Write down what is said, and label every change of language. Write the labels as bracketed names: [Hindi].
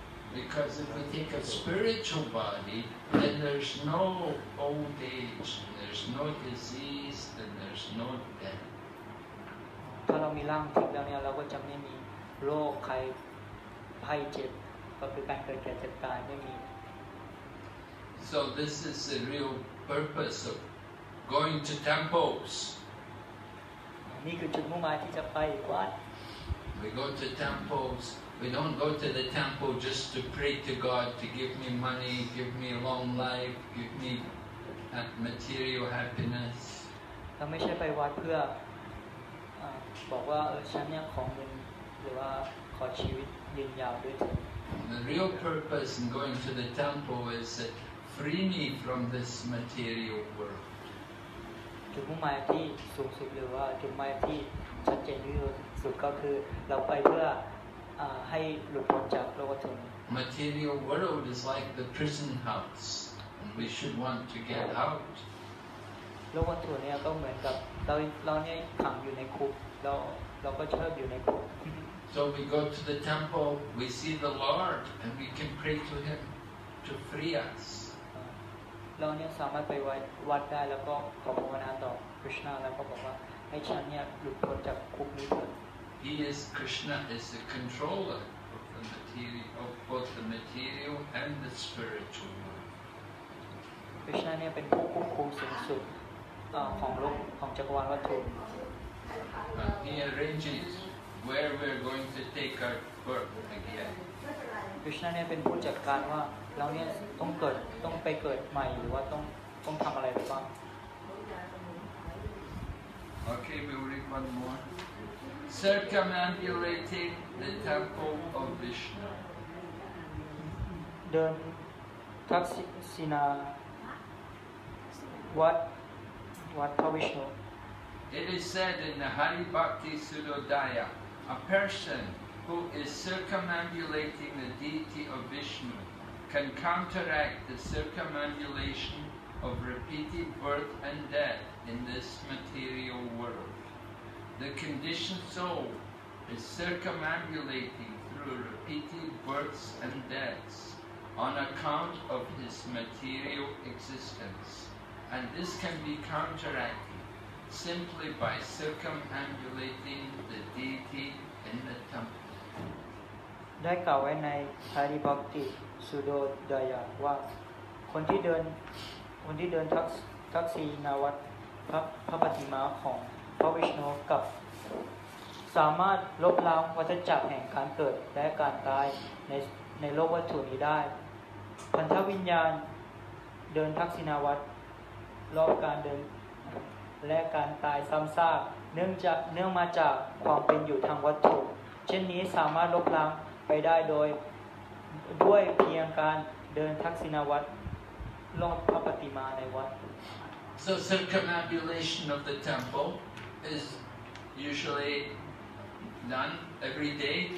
[English] Because if we take a spiritual body then there's no old age there's no disease then there's no death [Thai] ถ้าเรามีร่างทิพย์แล้วเนี่ยเราก็จะไม่มีโรคไข้ไข้เจ็บก็คือการเกิดแก่เจ็บตายไม่มี [English] So this is the real purpose of going to temples [Thai] นี่คือจุดมุ่งหมายที่จะไปวัด [English] We go to temples. We don't go to the temple just to pray to God to give me money, give me a long life, give me material happiness. [Thai] เราไม่ใช่ไปวัดเพื่อบอกว่าฉันเนี่ยขอเงินหรือว่าขอชีวิตยืนยาวด้วยเถอะ [English] The real purpose in going to the temple is to free me from this material world. [Thai] จุดมุ่งหมายที่สูงสุดหรือว่าจุดมุ่งหมายที่ชัดเจนที่สุดก็คือเราไปเพื่อให้หลุดพ้นจากโลกวัตถุ [English] Material world is like the prison house and we should want to get out [Thai] โลกวัตถุเนี่ยก็เหมือนกับเราเนี่ยขังอยู่ในคุกเราก็ชอบอยู่ในคุก [English] So we go to the temple we see the Lord and we can pray to him to free us [Thai] เราเนี่ยสามารถไปวัดได้แล้วก็ขอภาวนาต่อ Krishna แล้วก็บอกว่าให้ฉันเนี่ยหลุดพ้นจากคุกนี้เถอะ [English] He is Krishna is the controller of the material of both the material and the spiritual world [Thai] Krishna เนี่ยเป็นผู้ควบคุมสูงสุดของโลกของจักรวาลวัตถุ [English] He arranges where we're going to take our birth again [Thai] คริชนาเนี่ยเป็นผู้จัดการว่าเราเนี่ยต้องเกิดต้องไปเกิดใหม่หรือว่าต้องทำอะไรบ้าง [English] โอเค we'll read one more circumambulating the temple of Vishnu the Takshina what for Vishnu it is said in the Hari Bhakti Sudodaya a person who is circumambulating the deity of Vishnu can counteract the circumambulation of repeated birth and death in this material world. The conditioned soul is circumambulating through repeated births and deaths on account of his material existence, and this can be counteracted simply by circumambulating the deity in the temple. [Thai] ได้กล่าวไว้ในคาริบอติสุโดดายาว่าคนที่เดินทักษีนาวัตพระปฏิมาของพระวิชโนกับ สามารถลบล้างวัฏจักรแห่งการเกิดและการตายในโลกวัตถุนี้ได้พันธวิญญาณเดินทักษีนาวัตรอบการเดินและการตายซ้ำซากเนื่องมาจากความเป็นอยู่ทางวัตถุเช่นนี้สามารถลบล้างไปได้โดยเพียงการเดินทักษิณวัตรรอบพระปฏิมาในวัด [English] So circumambulation of the temple is usually done every day.